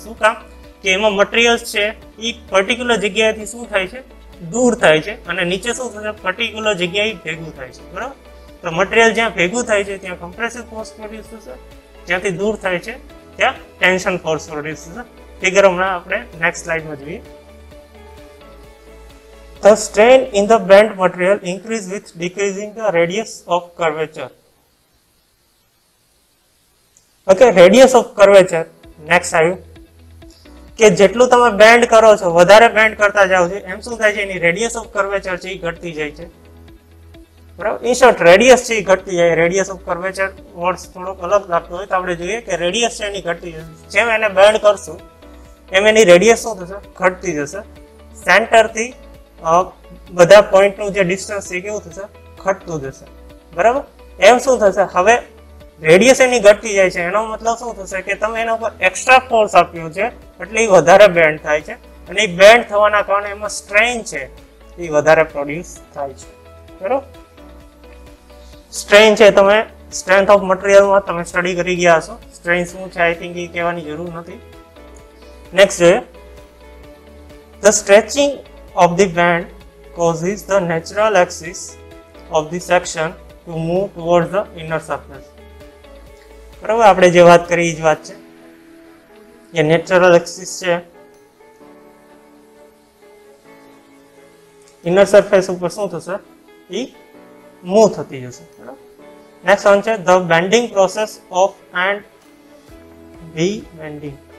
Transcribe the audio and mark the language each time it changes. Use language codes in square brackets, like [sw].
[gu] શું કામ, કે એમાં મટીરિયલ્સ છે એ પર્ટિક્યુલર જગ્યાએથી શું થાય છે, દૂર થાય છે અને નીચે શું થશે, પર્ટિક્યુલર જગ્યાએ ભેગું થાય છે. બરાબર, તો મટીરિયલ જ્યાં ભેગું થાય છે ત્યાં કમ્પ્રેસિવ ફોર્સ પ્રોડ્યુસ થશે, જ્યાંથી દૂર થાય છે ત્યાં ટેન્શન ફોર્સ પ્રોડ્યુસ થશે. ફિગર હમણાં આપણે નેક્સ્ટ સ્લાઇડમાં જોઈએ. [en] The strain in the bent material increase with decreasing the radius of curvature. Okay, radius of curvature, next [gu] આવ્યું કે જેટલું તમે બેન્ડ કરો છો, વધારે બેન્ડ કરતા જાઓ છો, એમ શું થાય છે, એની રેડિયસ ઓફ કર્વેચર છે એ ઘટતી જાય છે. બરાબર, ઇન શોર્ટ રેડિયસ છે એ ઘટતી જાય. રેડિયસ ઓફ કર્વેચર વર્ડ્સ થોડોક અલગ લાગતો હોય તો આપણે જોઈએ કે રેડિયસ છે એની ઘટતી જશે. જેમ એને બેન્ડ કરશું એમ એની રેડિયસ શું થશે, ઘટતી જશે. સેન્ટરથી બધા પોઈન્ટનું જે ડિસ્ટન્સ છે કેવું થશે, ઘટતું જશે. બરાબર, એમ શું થશે, હવે રેડિયસ એની ઘટતી જાય છે એનો મતલબ શું થશે કે તમે એના ઉપર એક્સ્ટ્રા ફોર્સ આપ્યો છે એટલે એ વધારે બેન્ડ થાય છે અને એ બેન્ડ થવાના કારણે એમાં સ્ટ્રેન છે એ વધારે પ્રોડ્યુસ થાય છે. બરાબર, સ્ટ્રેન છે, તમે સ્ટ્રેન્થ ઓફ મટીરિયલમાં તમે સ્ટડી કરી ગયા છો, સ્ટ્રેન શું છે [en] I think [gu] એ કહેવાની જરૂર નથી. [en] next [gu] જોઈએ, [en] The stretching of the band causes the natural axis of the section to move towards the inner surface. [gu] બરાબર, આપણે જે વાત કરી એ જ વાત છે, એ નેચરલ એક્સિસ છે, ઇનર સરફેસ ઉપર શું થશે, એ મૂવ થતી જશે. [en] બરાબર, next one છે the bending process of and V bending.